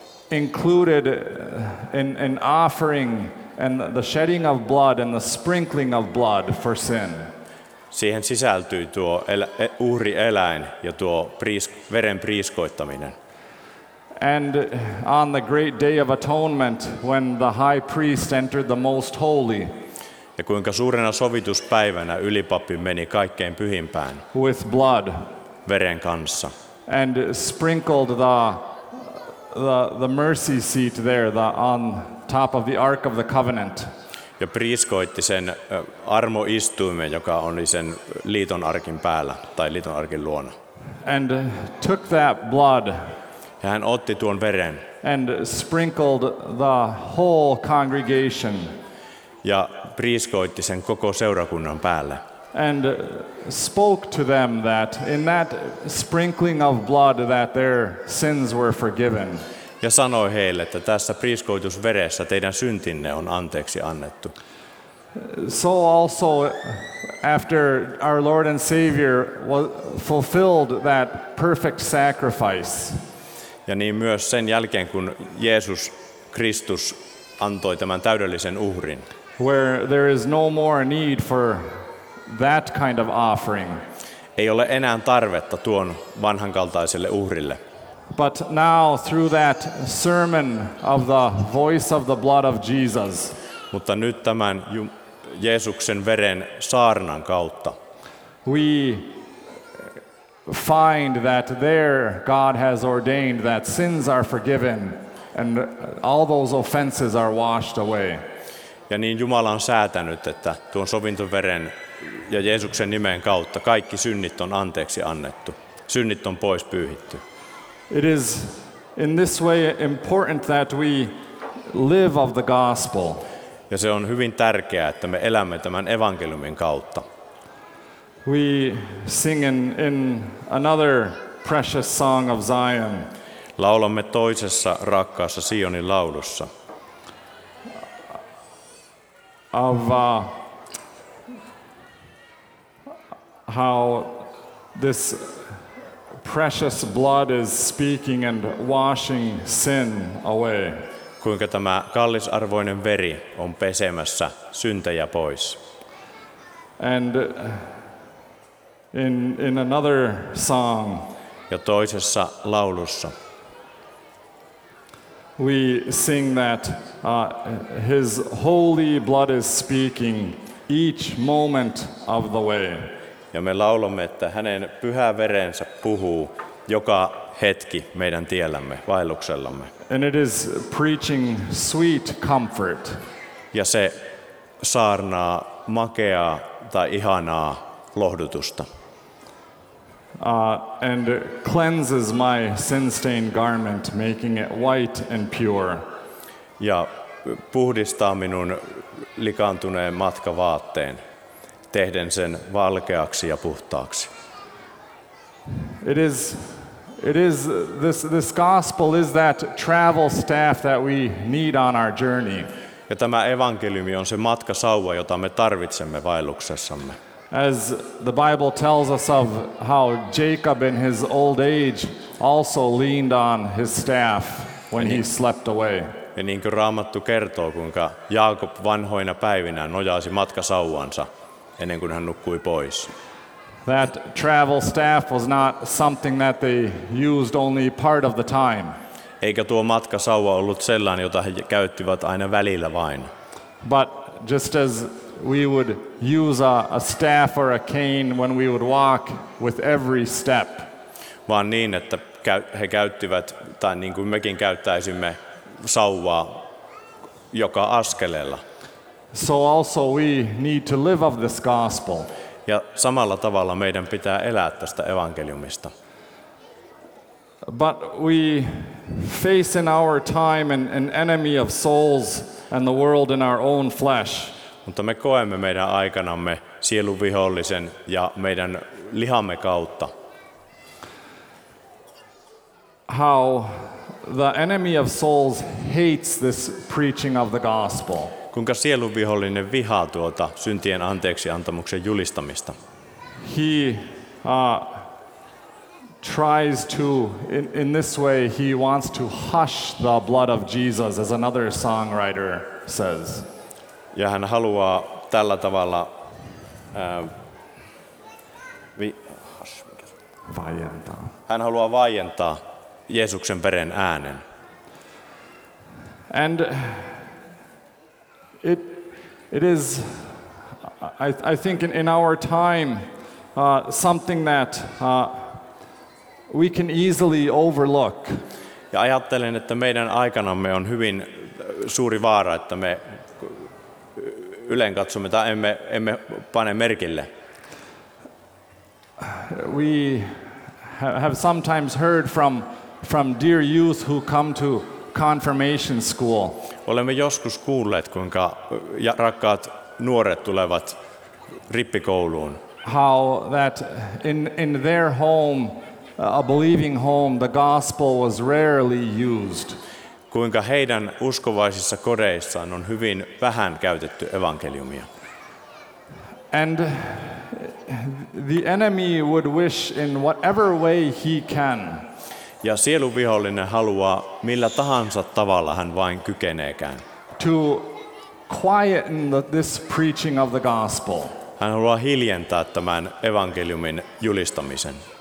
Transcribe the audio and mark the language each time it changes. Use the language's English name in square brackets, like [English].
[English] Included an offering and the shedding of blood and the sprinkling of blood for sin. [Finnish] Siihen sisältyy tuo uhrieläin ja tuo veren priiskoittaminen. [English] And on the great day of atonement when the high priest entered the most holy. [Finnish] Ja kuinka suurena sovituspäivänä ylipappi meni kaikkein pyhimpään. [English] With blood. [Finnish] Veren kanssa. [English] And sprinkled the mercy seat there, the on top of the Ark of the Covenant. [Finnish] Ja priiskoitti sen armoistuimen, joka oli sen liiton arkin päällä tai liiton arkin luona. [English] And took that blood. [Finnish] Ja hän otti tuon veren. [English] And sprinkled the whole congregation. [Finnish] Ja priiskoitti sen koko seurakunnan päälle. [English] And spoke to them that in that sprinkling of blood that their sins were forgiven. [Finnish] Ja sanoi heille, että tässä priiskoitusveressä teidän syntinne on anteeksi annettu. [English] So also after our Lord and Savior fulfilled that perfect sacrifice. [Finnish] Ja niin myös sen jälkeen, kun Jeesus Kristus antoi tämän täydellisen uhrin. [English] Where there is no more need for that kind of offering. [Finnish] Ei ole enää tarvetta tuon vanhan kaltaiselle uhrille. [English] But now through that sermon of the voice of the blood of Jesus. [Finnish] Mutta nyt tämän Jeesuksen veren saarnan kautta. [English] We find that there God has ordained that sins are forgiven and all those offenses are washed away. [Finnish] Ja niin Jumala on säätänyt, että tuon sovintoveren ja Jeesuksen nimen kautta kaikki synnit on anteeksi annettu. Synnit on pois pyyhitty. [English] It is in this way important that we live of the gospel. [Finnish] Ja se on hyvin tärkeää, että me elämme tämän evankeliumin kautta. [English] We sing in another precious song of Zion. [Finnish] Laulamme toisessa rakkaassa Sionin laulussa. [English] Of how this precious blood is speaking and washing sin away. [Finnish] Kuinka tämä kallisarvoinen veri on pesemässä syntejä pois. [English] And in another song, [Finnish] ja toisessa laulussa, [English] we sing that his holy blood is speaking each moment of the way. [Finnish] Ja me laulamme, että hänen pyhä verensä puhuu joka hetki meidän tiellämme, vaelluksellamme. [English] And it is preaching sweet comfort. [Finnish] Ja se saarnaa makeaa tai ihanaa lohdutusta. [English] And cleanses my sin-stained garment, making it white and pure. [Finnish] Ja puhdistaa minun likaantuneen matkavaatteen, tehden sen valkeaksi ja puhtaaksi. [English] This gospel is that travel staff that we need on our journey. [Finnish] Ja tämä evankeliumi on se matkasauva, jota me tarvitsemme vaelluksessamme. [English] As the Bible tells us of how Jacob in his old age also leaned on his staff when he slept away. [Finnish] Ja niin kuin Raamattu kertoo, kuinka Jaakob vanhoina päivinä nojasi matkasauvansa ennen kuin hän nukkui pois. [English] That travel staff was not something that they used only part of the time. [Finnish] Eikä tuo matkasauva ollut sellainen, jota he käyttivät aina välillä vain. [English] But just as we would use a staff or a cane when we would walk with every step. [Finnish] Vaan niin, että he käyttivät, tai niin kuin mekin käyttäisimme, sauvaa joka askeleella. [English] So also we need to live of this gospel. [Finnish] Ja samalla tavalla meidän pitää elää tästä evankeliumista. [English] But we face in our time an enemy of souls and the world in our own flesh. [Finnish] Mutta me koemme meidän aikanamme sielun vihollisen ja meidän lihamme kautta. [English] How the enemy of souls hates this preaching of the gospel. [Finnish] Kuinka sielun vihollinen vihaa tuota syntien anteeksi antamuksen julistamista. [English] He tries to in this way he wants to hush the blood of Jesus, as another songwriter says. [Finnish] Ja hän haluaa tällä tavalla vaientaa. Hän haluaa vaientaa Jeesuksen veren äänen. [English] And it is I think in our time something that we can easily overlook. [Finnish] Ja ajattelen, että meidän aikanamme on hyvin suuri vaara, että me ylenkatsomme tai emme pane merkille. [English] We have sometimes heard from dear youth who come to confirmation school. [Finnish] Olemme joskus kuulleet, kuinka rakkaat nuoret tulevat rippikouluun. [English] How that in their home, a believing home, the gospel was rarely used. [Finnish] Kuinka heidän uskovaisissa kodeissaan on hyvin vähän käytetty evankeliumia. [English] And the enemy would wish in whatever way he can. [Finnish] Ja sielun vihollinen haluaa millä tahansa tavalla hän vain kykeneekään. [English] To quieten this preaching of the gospel. [Finnish] Hän haluaa hiljentää tämän evankeliumin julistamisen.